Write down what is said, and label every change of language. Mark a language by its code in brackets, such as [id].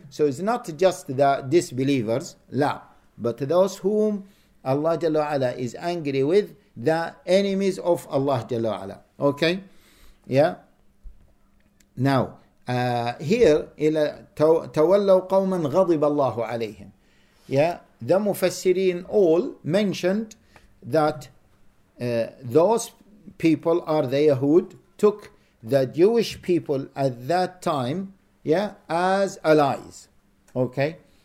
[en] So it's not just the disbelievers, la, but those whom Allah Jalla Ala is angry with, the enemies of Allah Jalla Ala. Okay? Yeah? [ar] Now, here, إلى تولوا قوما غضب الله عليهم. [en] Yeah? The Mufassirin all mentioned that those people are the Yahud, took the Jewish people at that time, yeah, as allies. Okay?